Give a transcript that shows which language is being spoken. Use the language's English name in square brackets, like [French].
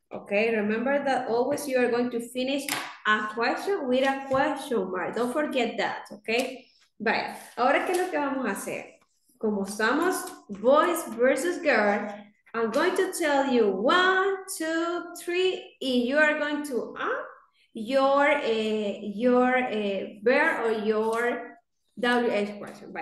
[English] Okay, remember that always you are going to finish a question with a question mark. Don't forget that, okay? [Spanish] Vaya, ahora ¿qué es lo que vamos a hacer? Como estamos [English] boys versus girl, I'm going to tell you one, two, three, and you are going to add your verb or your WH question.